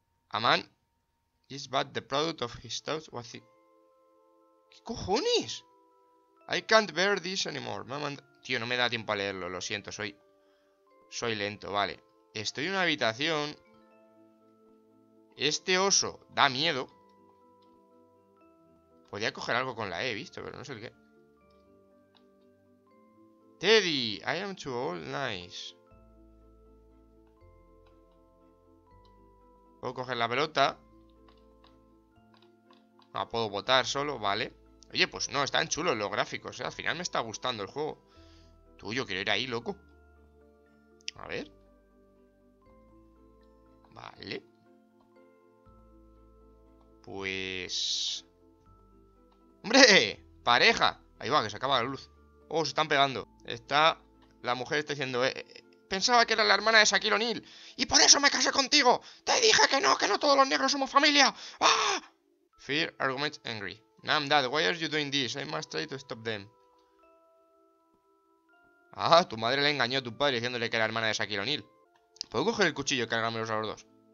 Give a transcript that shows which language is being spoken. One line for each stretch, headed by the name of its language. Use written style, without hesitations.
English: A man is but the product of his thoughts. What's he...
Spanish: ¿Qué cojones?
English: I can't bear this anymore.
Spanish: Tío, no me da tiempo a leerlo. Lo siento, soy. Soy lento, vale. Estoy en una habitación. Este oso da miedo. Podía coger algo con la E, he visto, pero no sé el qué.
English: Teddy, I am too old, nice.
Spanish: Puedo coger la pelota. No, puedo botar solo, vale. Oye, pues no, están chulos los gráficos, ¿eh? Al final me está gustando el juego. Tú, yo quiero ir ahí, loco. A ver. Vale. Pues. ¡Hombre! ¡Pareja! Ahí va, que se acaba la luz. Oh, se están pegando. Está La mujer está diciendo, pensaba que era la hermana de Shaquille O'Neal. Y por eso me casé contigo. Te dije que no todos los negros somos familia.
English: ¡Ah! Fear arguments angry. Nam, dad, why are you doing this? I must try to stop them.
Spanish: Ah, tu madre le engañó a tu padre diciéndole que era hermana de Shaquille O'Neal. ¿Puedo coger el cuchillo y cargármelos a los dos?